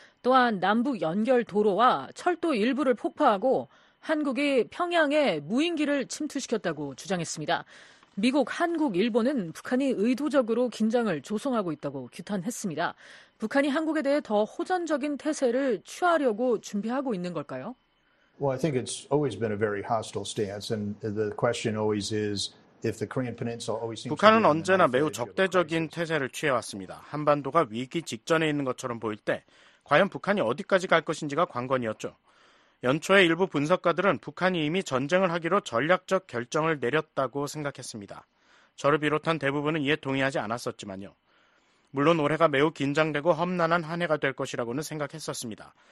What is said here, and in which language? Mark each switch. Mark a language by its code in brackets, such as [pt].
[ko] 또한 남북 연결 도로와 철도 일부를 폭파하고 한국이 평양에 무인기를 침투시켰다고 주장했습니다. 미국, 한국, 일본은 북한이 의도적으로 긴장을 조성하고 있다고 규탄했습니다. 북한이 한국에 대해 더 호전적인 태세를 취하려고 준비하고 있는 걸까요? [en] Well, I think it's always been a very hostile stance, and the question always is if the Korean Peninsula always seems [ko] 북한은 언제나 매우 적대적인 태세를 취해왔습니다. 한반도가 위기 직전에 있는 것처럼 보일 때, 과연 북한이 어디까지 갈 것인지가 관건이었죠. 연초에 일부 분석가들은 북한이 이미 전쟁을 하기로 전략적 결정을 내렸다고 생각했습니다. 저를 비롯한 대부분은 이에 동의하지 않았었지만요. 물론 올해가 매우 긴장되고 험난한 한 해가 될 것이라고는 생각했었습니다.